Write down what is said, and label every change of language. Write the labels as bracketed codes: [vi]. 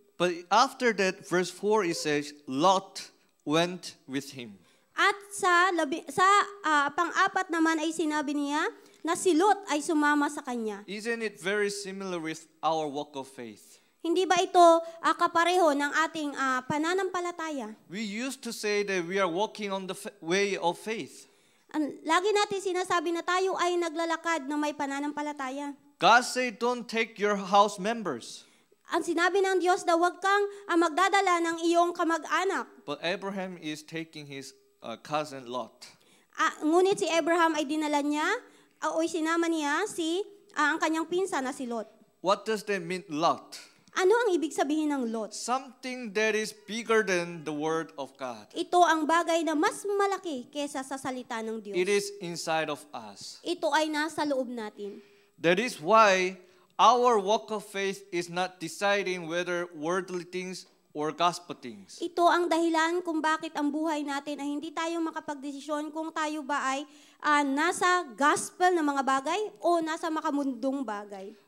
[en] But after that, verse 4, it says, Lot went with him. [tl] At sa pang-apat naman ay sinabi niya na si Lot ay sumama sa kanya. [en] Isn't it very similar with our walk of faith? [tl] Hindi ba ito kapareho ng ating pananampalataya? [en] We used to say that we are walking on the way of faith. [tl] Lagi natin sinasabi na tayo ay naglalakad na may pananampalataya. [en] God said, don't take your house members. [tl] Ang sinabi ng Diyos na huwag kang magdadala ng iyong kamag-anak. [en] But Abraham is taking his cousin Lot. [tl] Ngunit si Abraham ay dinala niya, o sinama niya si ang kanyang pinsan na si Lot. [en] What does that mean, Lot? [tl] Ano ang ibig sabihin ng Lot? [en] Something that is bigger than the word of God. [tl] Ito ang bagay na mas malaki kesa sa salita ng Diyos. [en] It is inside of us. [tl] Ito ay nasa loob natin. [en] That is why our walk of faith is not deciding whether worldly things or gospel things. [tl] Ito ang dahilan kung bakit ang buhay natin ay hindi tayo makapagdesisyon kung tayo ba ay nasa gospel na mga bagay o nasa makamundong bagay.